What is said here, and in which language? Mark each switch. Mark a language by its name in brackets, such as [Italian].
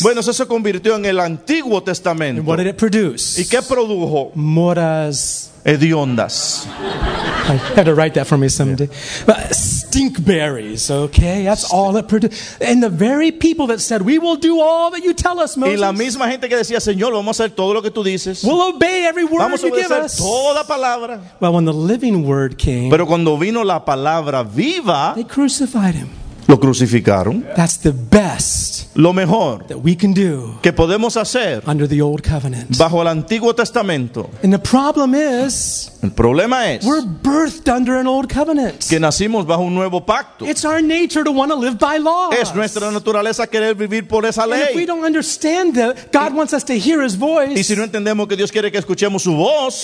[Spanish] Bueno, eso se convirtió en el antiguo. [English] And what did it produce? [Spanish] ¿Y qué produjo? Moras hediondas. [English] I had to write that for me someday. Yeah. But stink berries, okay? That's stink. All it produced. And the very people that said, we will do all that you tell us, Moses. [Spanish] Y la misma gente que decía, Señor, vamos a hacer todo lo que tú dices. [English] We'll obey every word [Spanish] vamos [English] you give us. [Spanish] Vamos a obedecer toda palabra. [English] Well, when the living word came, [Spanish] pero cuando vino la palabra viva, [English] they crucified him. [Spanish] Lo crucificaron. [English] That's the best. [Spanish] Lo mejor [English] that we can do [Spanish] que podemos hacer [English] under the old covenant. [Spanish] Bajo el Antiguo Testamento. [English] And the problem is, [Spanish] el problema es [English] we're birthed under an old covenant. [Spanish] Que nacimos bajo un nuevo pacto. [English] It's our nature to want to live by law. [Spanish] Es nuestra naturaleza querer vivir por esa ley. [English] And if we don't understand that God wants us to hear his voice, [Spanish] y si no entendemos que Dios quiere que escuchemos su voz,